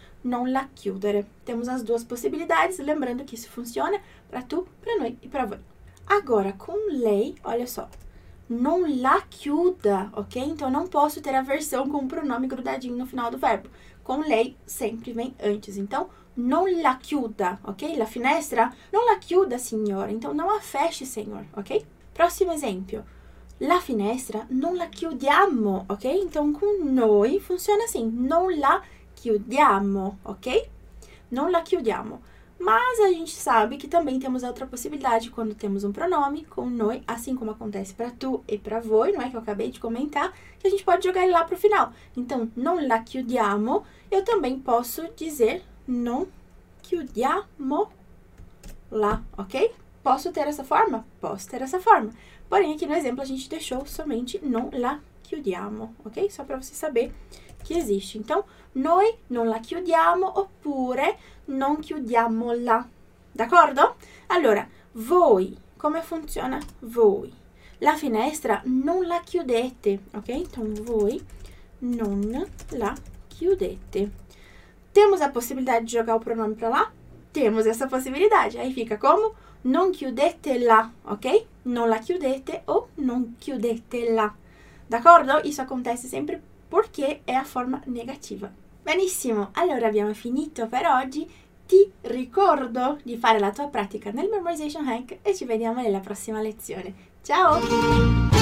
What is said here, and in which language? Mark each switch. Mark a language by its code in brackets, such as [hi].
[pt] Non la chiudere. Temos as duas possibilidades, lembrando que isso funciona para tu, para noi e para voi. Agora, com lei, olha só. Non la chiuda, ok? Então, não posso ter a versão com o pronome grudadinho no final do verbo. Com lei, sempre vem antes. [it] Então, non la chiuda, ok? La finestra, non la chiuda, signora. [pt] Então, não a feche, senhor, ok? Próximo exemplo. [it] La finestra, non la chiudiamo, ok? Então, com noi, funciona assim. Non la chiudiamo, ok? Non la chiudiamo. [pt] Mas a gente sabe que também temos outra possibilidade quando temos um pronome com noi, assim como acontece para tu e para voi, não é? Que eu acabei de comentar, que a gente pode jogar ele lá para o final. Então, non la chiudiamo, eu também posso dizer non chiudiamo la, ok? Posso ter essa forma? Posso ter essa forma. Porém, aqui no exemplo a gente deixou somente non la chiudiamo, ok? Só para você saber que existe. [it] Então, noi non la chiudiamo oppure non chiudiamola. D'accordo? Allora, voi, come funziona voi? La finestra non la chiudete, ok? Então, voi non la chiudete. [pt] Temos a possibilidade de jogar o pronome para lá? Temos essa possibilidade. Aí fica como? Non chiudetela, ok? [it] Non la chiudete ou non chiudetela. D'accordo? [pt] Isso acontece sempre perché è a forma negativa. [it] Benissimo, allora abbiamo finito per oggi. Ti ricordo di fare la tua pratica nel Memorization Hack e ci vediamo nella prossima lezione. Ciao!